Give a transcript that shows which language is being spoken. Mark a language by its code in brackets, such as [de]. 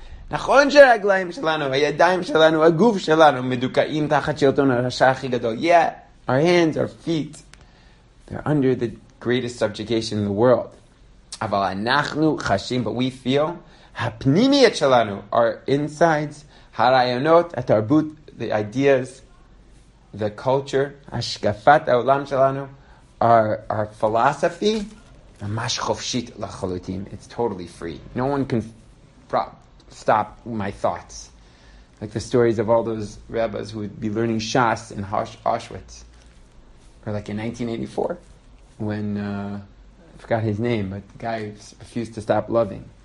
[he] נחון שרגליים שלנו, הידיים שלנו, הגוף שלנו מדוכאים תחת שלטון הרשע הכי גדול. [en] Yeah, our hands, our feet, they're under the greatest subjugation in the world. [he] אבל אנחנו חשים, [en] but we feel, [he] הפנימיות שלנו, [en] our insides, [he] הרעיונות, התרבות, [en] the ideas, the culture, [he] השקפת העולם שלנו, [en] our philosophy, [he] ממש חופשית לחלוטין. [en] It's totally free. No one can... stop my thoughts. Like the stories of all those rabbis who would be learning Shas in Auschwitz. Or like in 1984, when, I forgot his name, but the guy refused to stop loving.